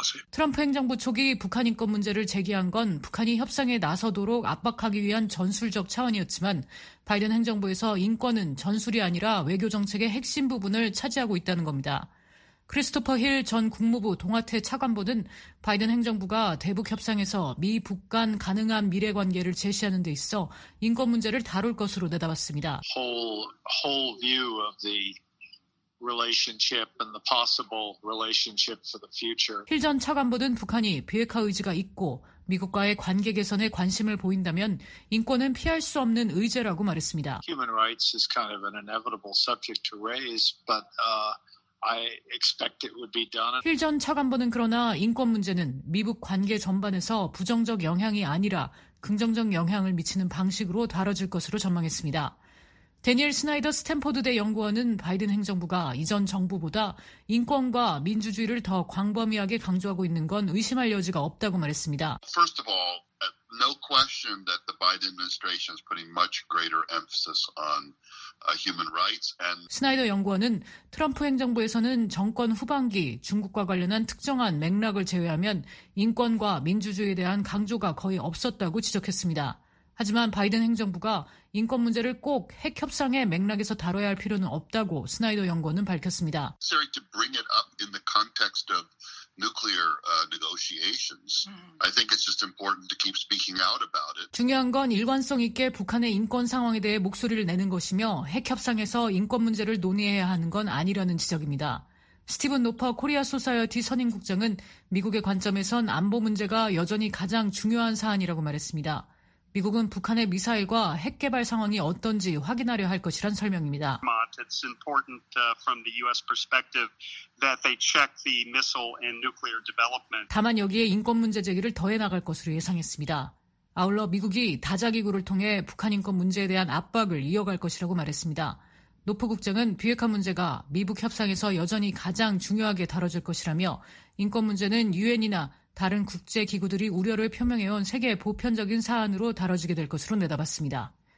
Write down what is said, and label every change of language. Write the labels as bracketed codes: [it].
[ko] 트럼프 행정부 초기 북한 인권 문제를 제기한 건 북한이 협상에 나서도록 압박하기 위한 전술적 차원이었지만 바이든 행정부에서 인권은 전술이 아니라 외교 정책의 핵심 부분을 차지하고 있다는 겁니다. 크리스토퍼 힐 전 국무부 동아태 차관보는 바이든 행정부가 대북 협상에서 미북 간 가능한 미래 관계를 제시하는 데 있어 인권 문제를 다룰 것으로 내다봤습니다. [en] Whole view of the relationship and the possible relationship for the future. [ko] 힐 전 차관보는 북한이 비핵화 의지가 있고 미국과의 관계 개선에 관심을 보인다면 인권은 피할 수 없는 의제라고 말했습니다. [en] Human rights is kind of an inevitable subject to raise, but I expect it would be done. [ko] 힐 전 차관보는 그러나 인권 문제는 미북 관계 전반에서 부정적 영향이 아니라 긍정적 영향을 미치는 방식으로 다뤄질 것으로 전망했습니다. 대니엘 스나이더 스탠퍼드 대 연구원은 바이든 행정부가 이전 정부보다 인권과 민주주의를 더 광범위하게 강조하고 있는 건 의심할 여지가 없다고 말했습니다. [en] First of all, no question that the Biden administration is putting much greater emphasis on human rights and [ko] 스나이더 연구원은 트럼프 행정부에서는 정권 후반기 중국과 관련한 특정한 맥락을 제외하면 인권과 민주주의에 대한 강조가 거의 없었다고 지적했습니다. 하지만 바이든 행정부가 인권 문제를 꼭 핵 협상의 맥락에서 다뤄야 할 필요는 없다고 스나이더 연구원은 밝혔습니다. [en] To bring it up in the context of nuclear negotiations. I think it's just important to keep speaking out about it. [ko] 중요한 건 일관성 있게 북한의 인권 상황에 대해 목소리를 내는 것이며 핵 협상에서 인권 문제를 논의해야 하는 건 아니라는 지적입니다. 스티븐 노퍼 코리아 소사이어티 선임 국장은 미국의 관점에선 안보 문제가 여전히 가장 중요한 사안이라고 말했습니다. 미국은 북한의 미사일과 핵 개발 상황이 어떤지 확인하려 할 것이란 설명입니다. [en] It's important from the U.S. perspective that they check the missile and nuclear development. [ko] 다만 여기에 인권 문제 제기를 더해 나갈 것으로 예상했습니다. 아울러 미국이 다자기구를 통해 북한 인권 문제에 대한 압박을 이어갈 것이라고 말했습니다. 노프 국장은 비핵화 문제가 미북 협상에서 여전히 가장 중요하게 다뤄질 것이라며 인권 문제는 유엔이나 다른 국제기구들이 우려를 표명해온 세계 보편적인 사안으로 다뤄지게 될 것으로 내다봤습니다.